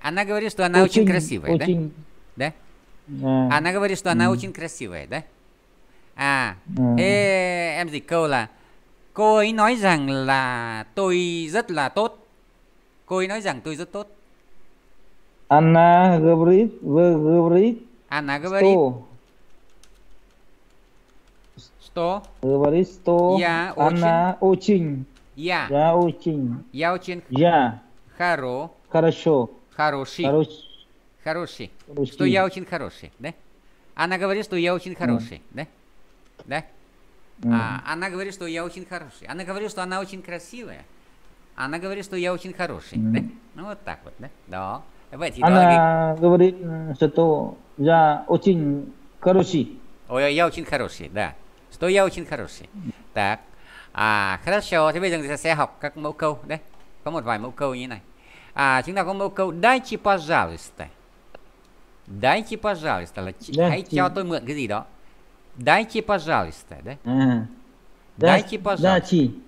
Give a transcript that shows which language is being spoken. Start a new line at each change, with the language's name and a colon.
Russian: Она говорит, что она очень красивая, да? Да. Она говорит, что она очень красивая, да?
Vietnamese: А, em dịch câu là cô ấy nói rằng là tôi rất là tốt. Cô ấy nói rằng tôi rất tốt.
Russian: Она говорит, вы говорит. Она говорит. Что? Говорит, что я она очень. Я. Я очень. Я очень. Я. Хоро. Хорошо. Хороший. Хороший. Хороший. Что я очень хороший, да? Она говорит, что я очень хороший, да? Да? А, она говорит, что я очень хороший. Она говорит, что она очень красивая. Она говорит, что я очень хороший, да? Ну вот так вот, да? Да. Она говорит, что я очень хороший. Ой, я очень хороший, да. Что я очень хороший. Так. А, хорошо.
Vietnamese: Thế bây giờ chúng ta sẽ học các mẫu câu. Đấy. Có một vài mẫu câu như này. À, chúng ta có mẫu câu
Russian: дайте, пожалуйста. Дайте, пожалуйста.
Vietnamese: Là hãy cho tôi mượn cái gì đó.
Russian: Дайте, пожалуйста. Đấy. Дайте, пожалуйста.